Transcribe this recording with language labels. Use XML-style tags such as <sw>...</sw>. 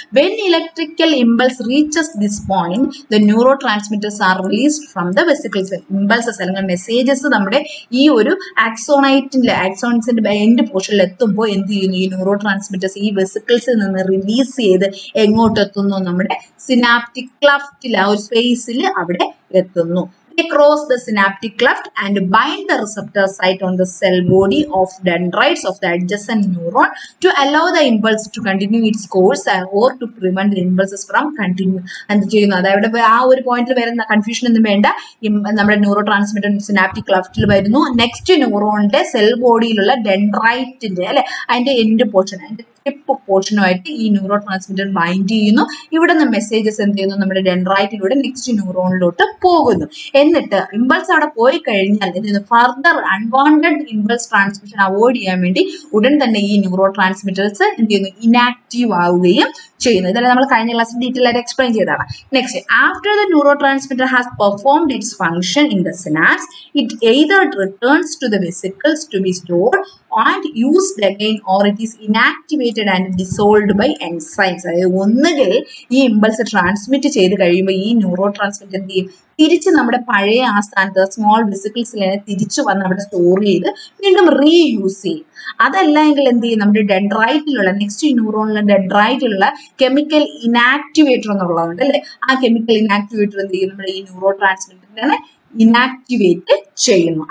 <en>When electrical impulse reaches this point the neurotransmitters are released from the vesicles.</en> <ml>Impulses അല്ലെങ്കിൽ messages നമ്മുടെ ഈ ഒരു ആക്സോണൈറ്റിന്റെ ആക്സോൺസിന്റെ end പോർഷനിൽ എത്തുമ്പോൾ എന്ത് ചെയ്യുന്നു, ഈ ന്യൂറോ ട്രാൻസ്മിറ്റേഴ്സ് ഈ വെസിക്കിൾസിൽ നിന്ന് റിലീസ് ചെയ്ത് എങ്ങോട്ടെത്തുന്നു, നമ്മുടെ സിനാപ്റ്റിക് ക്ലഫ്റ്റിൽ ആ ഒരു സ്പേസിൽ അവിടെ എത്തുന്നു.</ml> <en>They cross the synaptic cleft and bind the receptor site on the cell body of dendrites of the adjacent neuron to allow the impulse to continue its course or to prevent the impulses from continuing. And the point where the confusion is in the neurotransmitter in the synaptic cleft, next neuron the cell body the dendrite and the end portion.</en> <ml>Tip പോർഷനുമായിട്ട് ഈ neuro transmitter bind ചെയ്യുന്നു. ഇവിടെ നിന്ന് messages എന്ത് ചെയ്യുന്നു, നമ്മുടെ ഡെൻഡ്രൈറ്റിലൂടെ next ന്യൂറോണിലോട്ട് പോകുന്നു. എന്നിട്ട് impulse അവിടെ പോയി കഴിഞ്ഞാൽ എന്തെയ്യുന്നു, further unwanted impulse transmission avoid ചെയ്യാൻ വേണ്ടി ഉടൻ തന്നെ ഈ ന്യൂറോ ട്രാൻസ്മിറ്റേഴ്സ് എന്ത് ചെയ്യുന്നു, ഇനാക്റ്റീവ് ആവുകയും ചെയ്യുന്നു. ഇതെല്ലാം നമ്മൾ കഴിഞ്ഞ ക്ലാസ് ഡീറ്റെയിൽ ആയിട്ട് എക്സ്പ്ലെയിൻ ചെയ്തതാണ്.</ml> <en>Next, after the neurotransmitter has performed its function in the synapse it either returns to the vesicles to be stored plant used again or it is inactivated and dissolved by enzymes.</en> <ml>ഒന്നുകിൽ ഈ impulse transmit ചെയ്ത് കഴിയുമ്പോൾ ഈ neuro transmitter എന്ത് ചെയ്യും, തിരിച്ച് നമ്മുടെ പഴയ ആ സ്ഥാനത്ത് സ്മോൾ വെസിക്കിൾസിലേ തിരിച്ചു വന്ന് അവിടെ സ്റ്റോർ ചെയ്ത് വീണ്ടും റീയൂസ് ചെയ്യും. അതല്ലെങ്കിൽ എന്ത് ചെയ്യും, നമ്മുടെ ഡെൻഡ്രൈറ്റിലുള്ള നെക്സ്റ്റ് ന്യൂറോണിലെ ഡെൻഡ്രൈറ്റിലുള്ള കെമിക്കൽ ഇനാക്ടിവേറ്റർ എന്നുള്ളതുണ്ട് അല്ലെ, ആ കെമിക്കൽ ഇനാക്ടിവേറ്റർ എന്ത് ചെയ്യും, നമ്മുടെ ഈ ന്യൂറോ ട്രാൻസ്മിറ്ററിനെ ഇനാക്ടിവേറ്റ് ചെയ്യുന്നു.</ml>